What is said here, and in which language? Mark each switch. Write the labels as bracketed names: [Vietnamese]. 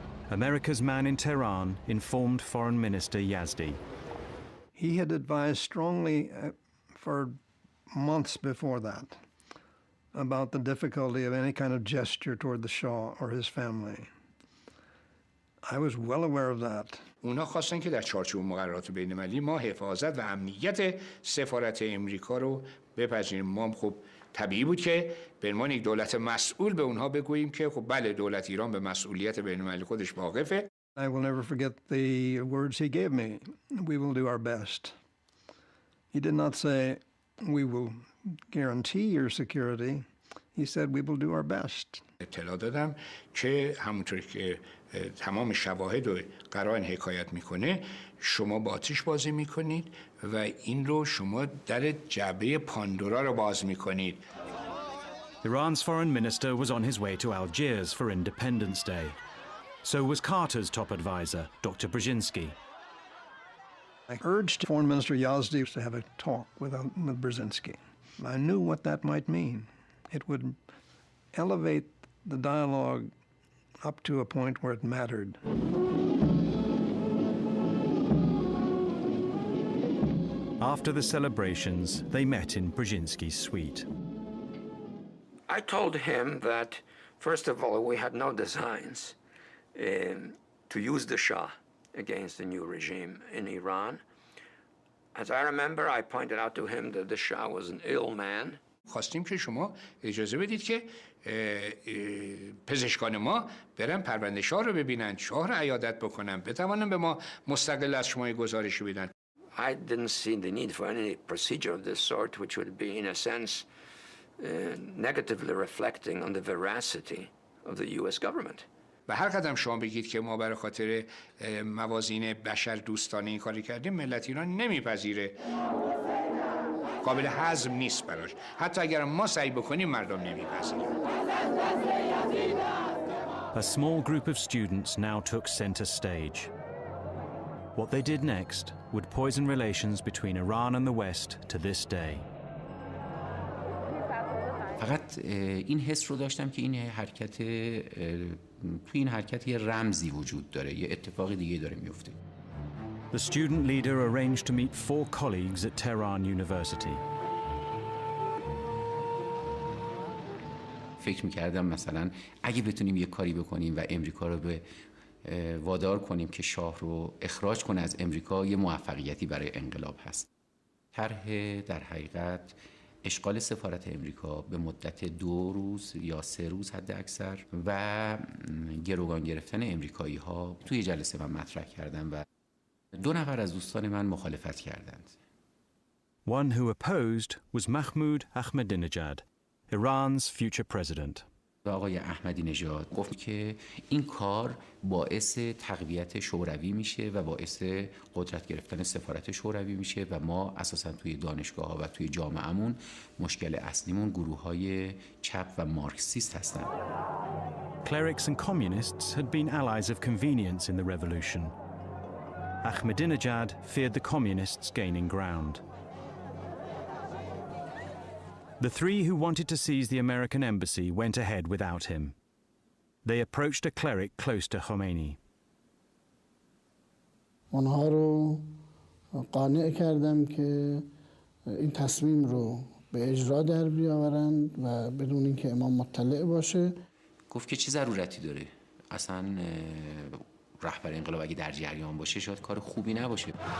[English] America's man in Tehran informed Foreign Minister Yazdi. He had advised strongly for months before that about the difficulty of any kind of gesture toward the Shah or his family. I was well aware of that. [Persian] اونا خواستن که در چارچوب مقررات بین المللی ما حفاظت و امنیت سفارت امریکا رو بپذیریم. ما خب طبیعی بود که به عنوان یک دولت مسئول به اونها بگوییم که خب بله دولت ایران به مسئولیت بین المللی خودش واقفه. [English] I will never forget the words he gave me. We will do our best. He did not say we will guarantee your security. He said, we will do our best. [Persian] اطلاع دادم که همونطوری که تمام شواهد و قرائن حکایت میکنه شما با آتش بازی میکنید و این رو شما در جعبه پاندورا رو باز میکنید. [English] Iran's foreign minister was on his way to Algiers for Independence Day. So was Carter's top advisor, Dr. Brzezinski. I urged Foreign Minister Yazdi to have a talk with Brzezinski. I knew what that might mean. It would elevate the dialogue up to a point where it mattered. After the celebrations, they met in Brzezinski's suite. I told him that, first of all, we had no designs to use the Shah against the new regime in Iran. As I remember, I pointed out to him that the Shah was an ill man. [Persian] خواستیم که شما اجازه بدید که پزشکان ما برن پرونده شاه رو ببینن، شاه رو عیادت بکنن، بتوانن به ما مستقل از شما گزارش بدن. [English] I didn't see the need for any procedure of this sort, which would be, in a sense, negatively reflecting on the veracity of the U.S. government. [Persian] و هر قدم شما بگید که ما برای خاطر موازین بشر دوستانه این کاری کردیم، ملت ایران نمیپذیره. قابل هضم نیست براش. حتی اگر ما سعی بکنیم مردم نمیپذیرن. [English] A small group of students now took center stage. What they did next would poison relations between Iran and the West to this day. [Persian] فقط این حس رو داشتم که این حرکت توی این حرکت یه رمزی وجود داره، یه اتفاق دیگه داره میفته. [English] The student leader arranged to meet four colleagues at Tehran University. [Persian] فکر می‌کردم مثلا اگه بتونیم یه کاری بکنیم و امریکا رو به وادار کنیم که شاه رو اخراج کنه از امریکا، یه موفقیتی برای انقلاب هست. طرح در حقیقت اشغال سفارت امریکا به مدت 2 روز یا 3 روز حد اکثر و گروگان گرفتن امریکایی‌ها توی جلسه من مطرح کردم و 2 نفر از دوستان من مخالفت کردند. [English] One who opposed was Mahmoud Ahmadinejad, Iran's future president. [Persian] آقای احمدی نژاد گفت که این کار باعث تقویت شوروی میشه و باعث قدرت گرفتن سفارت شوروی میشه و ما اساسا توی دانشگاه ها و توی جامعهمون مشکل اصلیمون گروه های چپ و مارکسیست هستن. [English] Clerics and communists had been allies of convenience in the revolution. Ahmadinejad feared the communists gaining ground. The three who wanted to seize the American embassy went ahead without him. They approached a cleric close to Khomeini. [Persian] اونها رو قانع کردم که این تصمیم رو به اجرا در بیاورند و بدون اینکه امام مطلع باشه. گفت که چه ضرورتی داره؟ اصلا رهبر انقلاب اگه در جریان باشه شاید کار خوبی نباشه.